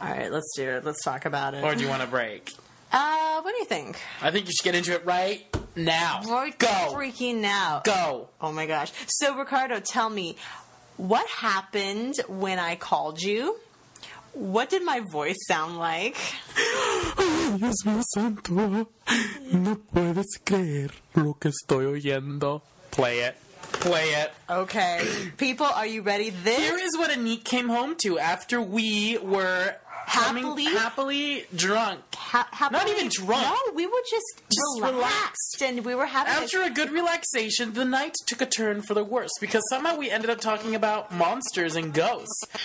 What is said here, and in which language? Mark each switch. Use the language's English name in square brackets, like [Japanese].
[English] Alright, let's do it. Let's talk about it. Or do you want a break? What do you think? I think you should get into it right now. Right go. Freaking now. Go. Oh my gosh. So, Ricardo, tell me, what happened when I called you? What did my voice sound like? [Spanish] Dios mío santo, no puedes creer lo que estoy oyendo. [English] Play it. Play it. Okay. People, are you ready? This... Here is what Annique came home to after we were... Happily drunk. Happily, not even drunk. No, we were just relaxed. And we were having... After a good relaxation, the night took a turn for the worse. Because somehow we ended up talking about monsters and ghosts.